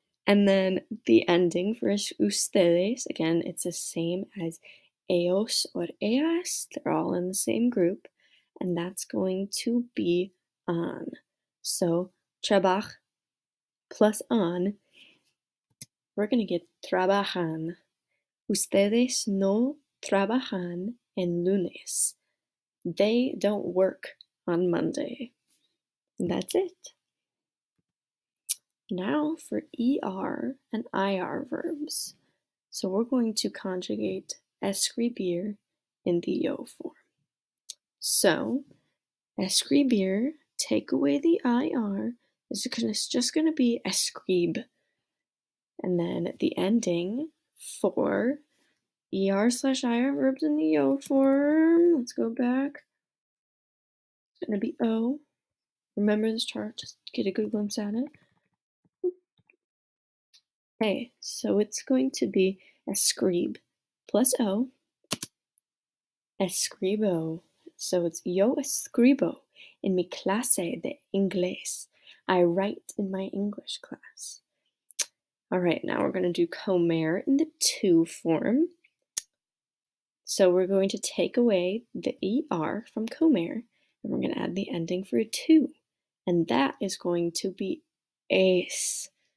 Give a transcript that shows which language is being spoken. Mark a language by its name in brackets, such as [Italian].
[English] And then the ending for ustedes, again, it's the same as ellos or ellas. They're all in the same group. And that's going to be on. So, trabaja plus on. We're going to get trabajan. [Spanish] Ustedes no trabajan en lunes. [English] They don't work on Monday. And that's it. Now for ER and IR verbs. So we're going to conjugate escribir in the yo form. So escribir, take away the IR, is it's just going to be escribe. And then the ending for ER slash IR verbs in the yo form, let's go back, it's going to be O. Remember this chart, just get a good glimpse at it. Okay, so it's going to be escribe plus O, escribo. So it's [Spanish] yo escribo en mi clase de inglés. [English] I write in my English class. All right, now we're going to do comer in the to form. So we're going to take away the ER from comer, and we're going to add the ending for a to. And that is going to be es.